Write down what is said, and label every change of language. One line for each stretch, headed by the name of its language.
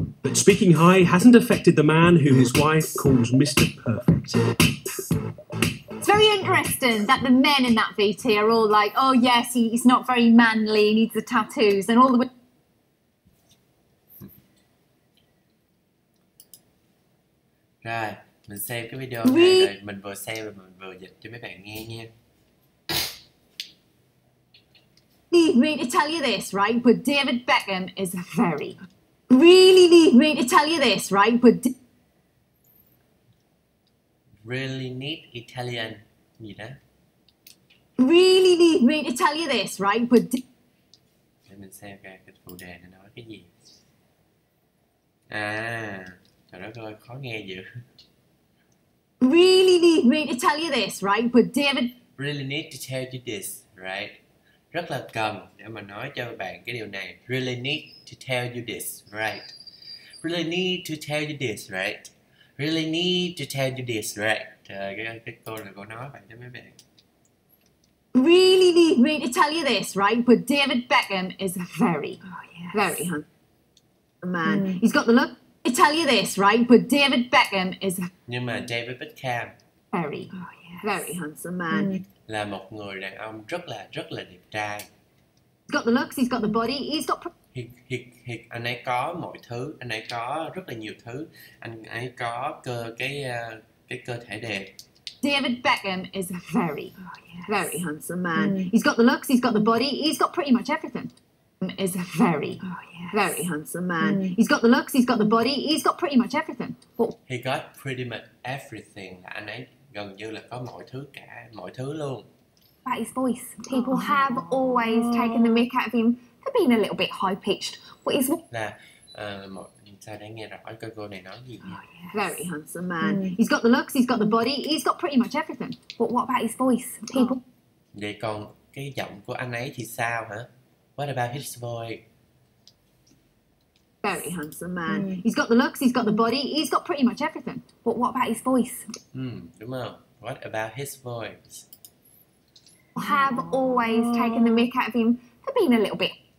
English: But speaking high hasn't affected the man who his wife calls Mr. Perfect. It's very interesting that the men in that VT are all like, oh yes, he's not very manly, he needs the tattoos, and all the women...
Vietnamese: Rồi, mình xem cái video này rồi, mình vừa xem và mình vừa dịch cho mấy bạn nghe nha.
English: Need me to tell you this, right? But David Beckham is very... Really need me to tell you this, right? But... Really need Italian, you know? Really need me to tell you this, right? But... Let me say okay,
Vietnamese: cái phụ đề này nói cái gì? À, trời đất ơi, khó nghe dữ.
English: Really need me to tell you this, right? But David... Really need to tell you this, right?
Vietnamese: Rất là cần để mà nói cho bạn cái điều này.
English: Really need to tell you this, right? Really need to tell you this, right? Really need to tell you this, right?
Vietnamese: Cái câu này cô nói vậy cho mấy bạn.
English: Really need me to tell you this, right? But David Beckham is very, very handsome man. He's got the look. I tell you this, right? But David Beckham is...
Vietnamese: Nhưng mà David Beckham...
English: Very, very handsome man.
Vietnamese: Là một người đàn ông rất là đẹp trai.
English: He's got the looks, he's got the body, he's got...
Vietnamese: He, anh ấy có mọi thứ, anh ấy có rất là nhiều thứ. Anh ấy có cái cơ thể đẹp.
English: David Beckham is a very, very handsome man. He's got the looks, he's got the body, he's got pretty much everything. Is a very, very handsome man. He's got the looks, he's got the body, he's got pretty much everything. He got pretty much everything,
Vietnamese: là anh ấy... Gần như là có mọi thứ cả, mọi thứ luôn.
English: About his voice. People have always taken the mic out of him for being a little bit high-pitched. What is...
Vietnamese: Là, sao đang nghe rõ cái cô này nói gì?
English: Very handsome man. He's got the looks, he's got the body, he's got pretty much everything. But what about his voice? People...
Vietnamese: Vậy còn cái giọng của anh ấy thì sao hả?
English: What about his voice? Very handsome man. He's got the looks, he's got the body, he's got pretty much everything. But what about his voice?
Vietnamese: Đúng không?
English: What about his voice? Have always taken the mick out of him for being a little bit...